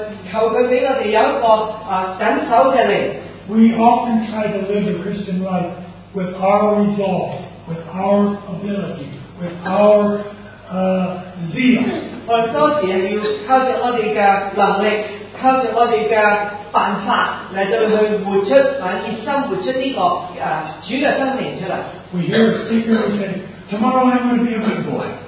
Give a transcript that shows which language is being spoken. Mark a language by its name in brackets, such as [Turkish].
[Chinese] 求他给我们有一个紧守的灵。 [English] We often try to live a Christian life with our resolve, with our ability, with our zeal. [Chinese] 我们多时要靠着我们的能力，靠着我们的办法来到去活出，一生活出这个主的生命出来。 [English] We hear a speaker who said, "Tomorrow I'm going to be a good boy."